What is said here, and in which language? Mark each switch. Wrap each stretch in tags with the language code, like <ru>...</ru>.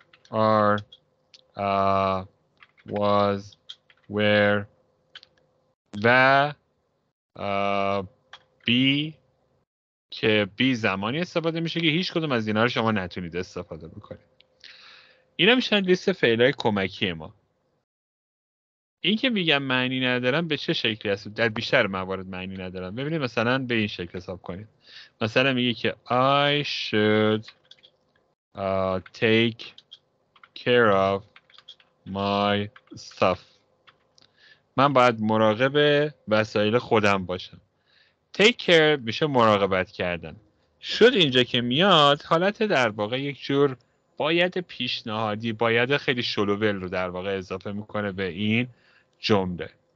<en>are was where the be</en> <fa>که بی زمانی استفاده میشه که هیچ کدوم از اینا رو شما نتونید استفاده بکنید. اینا میشن لیست فعلای کمکی ما. این که میگم معنی ندارم به چه شکلی هست؟ در بیشتر موارد معنی ندارم. ببینید مثلا به این شکل حساب کنید. مثلا میگه که</fa> <en>I should take care of my stuff.</en> <fa>من باید مراقب وسایل خودم باشم. Take care میشه مراقبت کردن. شد اینجا که میاد حالت در واقع یک جور باید پیشنهادی، باید خیلی شلوول رو در واقع اضافه میکنه به این جمله.</fa>